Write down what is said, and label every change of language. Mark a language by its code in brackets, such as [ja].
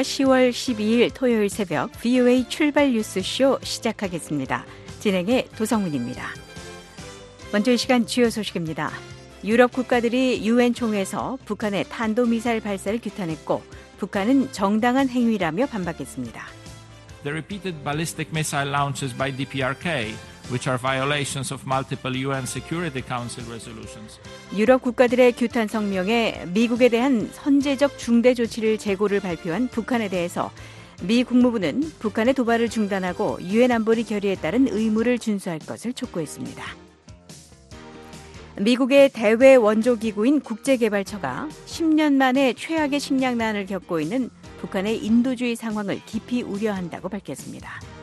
[ko] 10월 12일 토요일 새벽 VOA 출발 뉴스 쇼 시작하겠습니다. 진행의 도성훈입니다. 먼저 이 시간 주요 소식입니다. 유럽 국가들이 유엔 총회에서 북한의 탄도미사일 발사를 규탄했고 북한은 정당한 행위라며 반박했습니다. [en] The repeated ballistic missile launches by DPRK which are violations of multiple UN Security Council resolutions. [ko] 유럽 국가들의 규탄 성명에 미국에 대한 선제적 중대 조치를 재고를 발표한 북한에 대해서 미 국무부는 북한의 도발을 중단하고 유엔 안보리 결의에 따른 의무를 준수할 것을 촉구했습니다. 미국의 대외 원조 기구인 국제개발처가 10년 만에 최악의 식량난을 겪고 있는 북한의 인도주의 상황을 깊이 우려한다고 밝혔습니다.